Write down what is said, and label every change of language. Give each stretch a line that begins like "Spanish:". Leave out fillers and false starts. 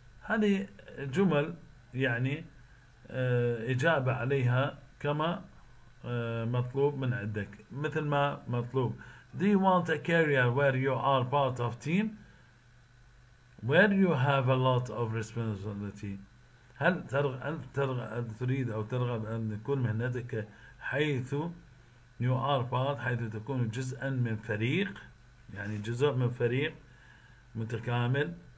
Arabic: هذه جمل يعني إجابة عليها كما مطلوب من عندك مثل ما مطلوب.
English: Do you want a career where you are part of team? Where you have a lot of responsibility?
Arabic: هل تريد أو ترغب أن تكون مهنتك حيث
English: you are part
Arabic: حيث تكون جزءا من فريق يعني جزء من فريق متكامل.